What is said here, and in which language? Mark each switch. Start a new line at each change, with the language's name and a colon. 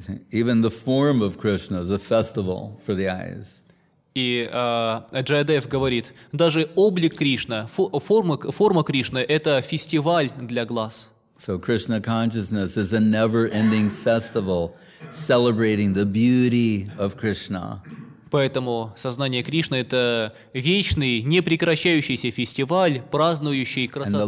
English: Even the form of Krishna is a festival for the eyes.
Russian: И Джаядев говорит, даже облик Кришны, форма Кришны — это фестиваль для глаз.
English: So Krishna consciousness is a never-ending festival celebrating the beauty of Krishna.
Russian: Поэтому сознание Кришны — это вечный, непрекращающийся фестиваль, празднующий красоту